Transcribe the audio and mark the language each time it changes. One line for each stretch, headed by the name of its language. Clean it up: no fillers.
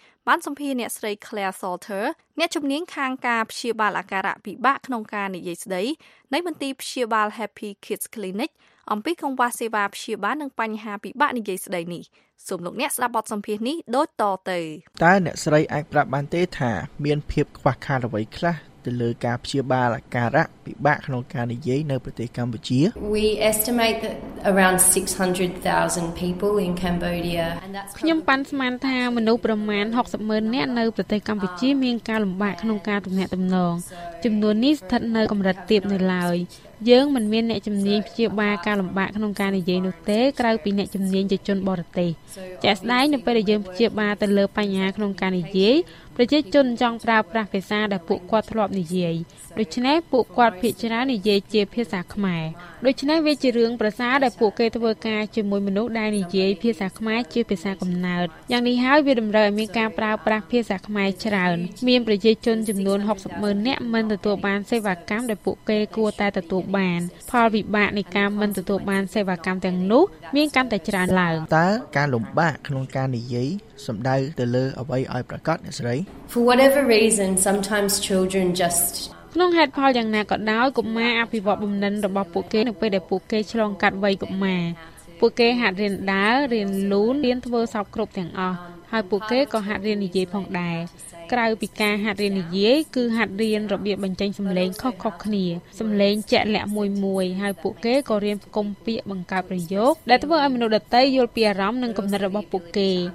Khmer: បានសម្ភាសន៍អ្នកស្រី Claire Salter អ្នកជំនាញខាងការព្យាបាលអាការៈពិបាកក្នុងការនិយាយស្ដីនៃមន្ទីរព្យាបាល Happy Kids Clinic អំពីកង្វះសេវាព្យាបាលនិងបញ្ហាពិបាកនិយាយស្ដីនេះសូមលោកអ្នកស្ដាប់បទសម្ភាសន៍នេះដូចតទៅ តើអ្នកស្រីអាចប្រាប់បានទេថាមានភាពខ្វះខាតអ្វីខ្លះទៅលើការព្យាបាលអាការៈពិបាកក្នុងការនិយាយនៅប្រទេសកម្ពុជា
English: We estimate that around 600,000 people in Cambodia and that's
Khmer: ខ្ញុំប៉ាន់ស្មានថាមនុស្សប្រមាណ600,000នាក់នៅប្រទេសកម្ពុជាមានការលំបាកក្នុងការទំនាក់ទំនងចំនួននេះស្ថិតនៅកម្រិតទាបនៅឡើយយើងមិនមានអ្នកជំនាញព្យាបាលការលំបាកក្នុងការនិយាយនោះទេក្រៅពីអ្នកជំនាញជនបរទេស ចាស់ស្ដាយនៅពេលដែលយើងព្យាបាលទៅលើបញ្ហាក្នុងការនិយាយប្រជាជនចង់ប្រើប្រាស់ភាសាដែលពួកគាត់ធ្លាប់និយាយដូច្នេះពួកគាត់ភាគច្រើននិយាយជាភាសាខ្មែរដូច្នេះវាជារឿងប្រសើរដែលពួកគេធ្វើការជាមួយមនុស្សដែលនិយាយភាសាខ្មែរជាភាសាកំណើតយ៉ាងនេះហើយវាតម្រូវឲ្យមានការប្រើប្រាស់ភាសាខ្មែរច្រើនមានប្រជាជនចំនួន600,000នាក់មិនទទួលបានសេវាកម្មដែលពួកគេគួរតែទទួលបានផលវិបាកនៃការមិនទទួលបានសេវាកម្មទាំងនោះមានកាន់តែច្រើនឡើង តើការលំបាកក្នុងការនិយាយសំដៅទៅលើអ្វីឲ្យប្រកាសអ្នកស្រី
English: For whatever reason sometimes children just
Khmer: ក្នុងហេតុផលយ៉ាងណាក៏ដោយកុមារអភិវឌ្ឍបំណិនរបស់ពួកគេនៅពេលដែលពួកគេឆ្លងកាត់វ័យកុមារពួកគេហាត់រៀនដើររៀនលូនរៀនធ្វើសពគ្រប់ទាំងអស់ហើយពួកគេក៏ហាត់រៀននិយាយផងដែរក្រៅពីការហាត់រៀននិយាយគឺហាត់រៀនរបៀបបញ្ចេញសំឡេងខុសៗគ្នាសំឡេងជាក់លាក់មួយមួយហើយពួកគេក៏រៀនផ្គុំពាក្យបង្កើតប្រយោគដែលធ្វើឲ្យមនុស្សដទៃយល់ពីអារម្មណ៍និងគំនិតរបស់ពួកគេ